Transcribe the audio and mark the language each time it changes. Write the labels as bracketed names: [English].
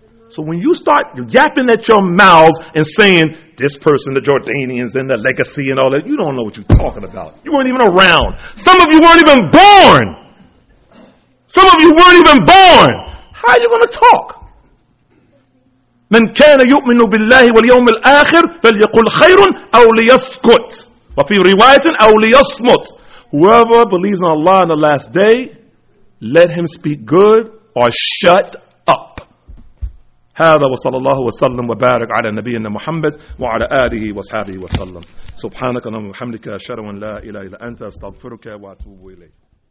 [English] So when you start yapping at your mouths and saying, this person, the Jordanians and the legacy and all that, you don't know what you're talking about. You weren't even around. Some of you weren't even born. Some of you weren't even born. How are you going to talk? [Arabic] من كان يؤمن بالله واليوم الآخر فليقل خير أو ليسكت وفي رواية أو ليصمت. [English] Whoever believes in Allah on the last day, let him speak good or shut up. [Arabic] هذا وصلى الله وسلم وبارك على نبينا محمد وعلى آله وصحبه وسلم. سبحانك اللهم وبحمدك أشهد أن لا إله إلا أنت أستغفرك وأتوب إليك.